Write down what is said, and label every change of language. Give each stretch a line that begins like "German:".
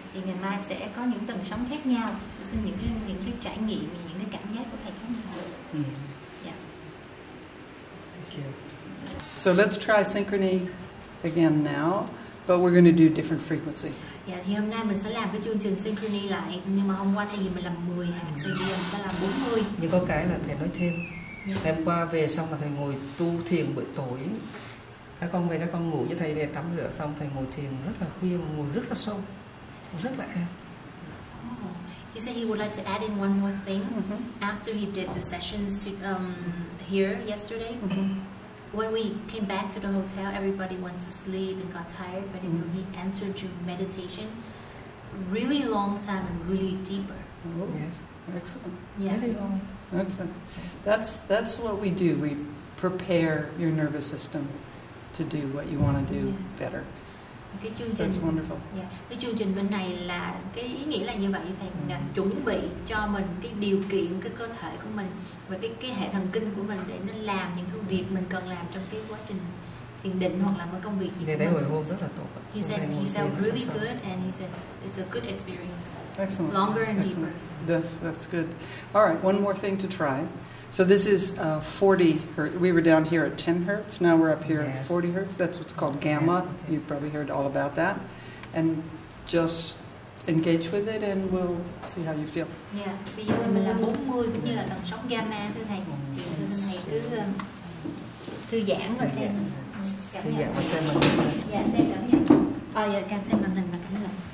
Vietnamese: Thì ngày mai sẽ có những tầng sóng khác nhau, xin những cái trải nghiệm, những cái cảm giác của thầy khác nhau.
English: Mm-hmm. Yeah. Thank you. So let's try synchrony again now, but we're going to do different frequency.
Vietnamese: Yeah, thì hôm nay mình sẽ làm cái chương trình synchrony lại, nhưng mà hôm qua thay vì mình làm 10 hạt CD, mình sẽ làm 40. Nhưng có cái là thầy nói thêm. Hôm qua về xong là thầy ngồi tu thiền buổi tối. Các con về các con ngủ với thầy về tắm rửa xong thầy ngồi thiền rất là khuya mà ngồi rất là sâu. Rất là an.
English: He said he would like to add in one more thing. After he did the sessions to here yesterday. When we came back to the hotel, everybody went to sleep and got tired, but when he entered to meditation, really long time and really deeper. Yes. Excellent. Yeah. Very long. Excellent. That's what we do. We prepare your nervous system to do what you want to do better.
Vietnamese: Cái chương trình,
English: that's wonderful. Yeah.
Vietnamese: Cái chương trình bên này là cái ý nghĩa là như vậy, thầy chuẩn bị cho mình cái điều kiện, cái cơ thể của mình và cái hệ thần kinh của mình để nó làm những cái việc mình cần làm trong cái quá trình thiền định hoặc là một công việc gì. Thầy thấy hồi hôm rất là tốt.
English: He said he felt really good and he said it's a good experience. Excellent. Longer and excellent. Deeper. That's good. All right, one more thing to try. So this is 40 hertz. We were down here at 10 hertz. Now we're up here at 40 hertz. That's what's called gamma. Yes, okay. You've probably heard all about that. And just engage with it and we'll see how you feel. Yeah.
Vietnamese: Bây giờ mình là 40 cũng như là tần sóng gamma thưa thầy. Thưa thầy cứ thư giãn và xem. Thư giãn và xem màn hình. Dạ, xem cảm nhận. Dạ, xem màn hình và cảm nhận.